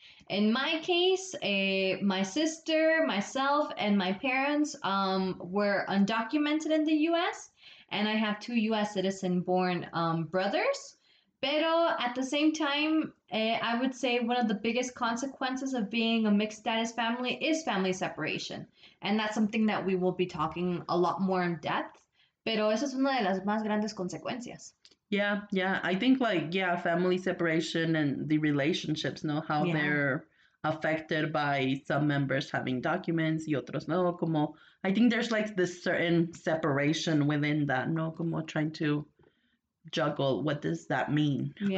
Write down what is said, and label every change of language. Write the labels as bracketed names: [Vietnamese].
[English] In my case, my sister, myself, and my parents were undocumented in the U.S., and I have two U.S. citizen-born brothers. Pero at the same time, I would say one of the biggest consequences of being a mixed status family is family separation. And that's something that we will be talking a lot more in depth. [Spanish] Pero eso es una de las más grandes consecuencias. [English] Yeah. I think family separation and the relationships, no? How yeah. they're affected by some members having documents [Spanish] y otros no. [English] Como, I think there's like this certain separation within that, no? Como trying to juggle, what does that mean?